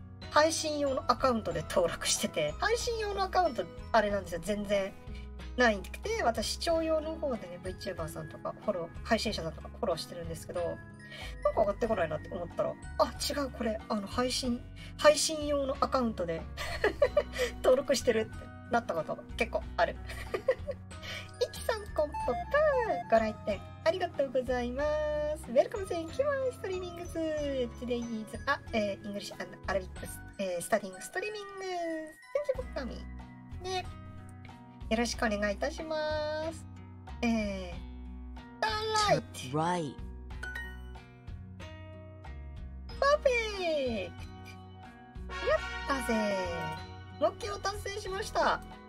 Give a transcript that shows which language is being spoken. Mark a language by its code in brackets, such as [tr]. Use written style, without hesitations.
[ja] 配信用のアカウントで登録してて、配信用のアカウントあれなんですよ、全然ないくて、私視聴用の方でね、 VTuber さんとかフォロー、配信者さんとかフォローしてるんですけど、なんか上がってこないなって思ったら、あ、違う、これ配信用のアカウントで登録してるってなったこと結構ある。いきさん、コンポカー、ご来店ありがとうございます。 [en] Welcome to Kiwan Streamings. Today is a English and Arabic studying streamings. Thank you for coming. [ja] ね、よろしくお願いいたします。 [en] Turn right. Turn right. Perfect. [ja] やったぜ、目標達成しました。